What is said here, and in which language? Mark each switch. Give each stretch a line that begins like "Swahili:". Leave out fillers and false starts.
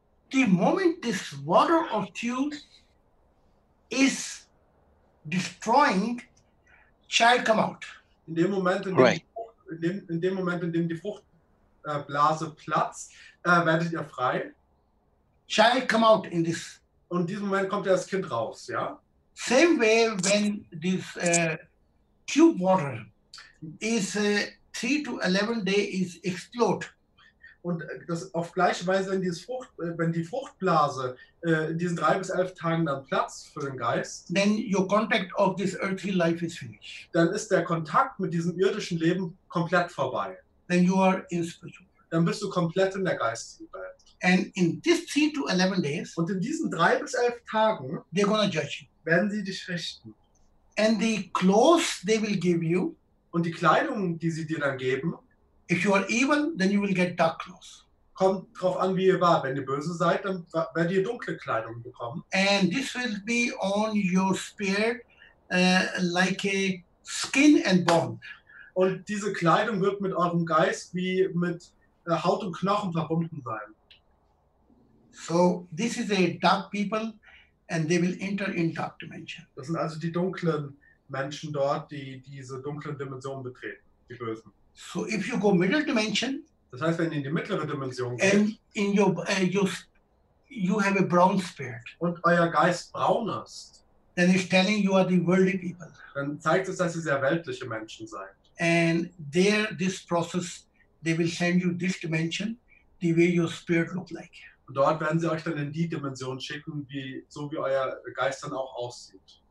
English: The moment this water of tube is destroying, child come out.
German: In dem Moment, in dem die Fruchtblase platzt, werdet ihr frei.
English: Child come out in this.
German: Und in diesem Moment kommt ja das Kind raus, ja?
English: Same way when this tube water is 3 to 11 days is explode.
German: Und das auf gleiche Weise, wenn die Fruchtblase in diesen
English: 3 to 11 days
German: dann platzt für den Geist,
English: then your contact of this earthly life is finished.
German: Dann ist der Kontakt mit diesem irdischen Leben komplett vorbei.
English: Then you are in spiritual.
German: Dann bist du komplett in der geistigen Welt.
English: And in this 3 to 11 days,
German: und in diesen
English: 3 to 11 days, they're gonna judge you.
German: Werden sie dich richten.
English: And the clothes they will give you,
German: und die Kleidung, die sie dir dann geben,
English: if you are evil, then you will get dark clothes.
German: Kommt drauf an, wie ihr war. Wenn ihr böse seid, dann werdet ihr dunkle Kleidung bekommen.
English: And this will be on your spirit like a skin and bone.
German: Und diese Kleidung wird mit eurem Geist wie mit Haut und Knochen verbunden sein.
English: So, this is a dark people and they will enter in dark dimension.
German: Das sind also die dunklen Menschen dort, die diese dunklen Dimensionen betreten, die Bösen.
English: So if you go middle dimension,
German: das heißt, wenn ihr in die mittlere Dimension geht,
English: and in your you have a brown spirit,
German: und euer Geist braun ist,
English: then it's telling you are the worldly people.
German: Dann zeigt es, dass ihr sehr weltliche Menschen seid.
English: And there, this process, they will send you this dimension, the way your spirit look like.
German: Und dort werden sie euch dann in die Dimension schicken, wie euer Geist dann auch aussieht.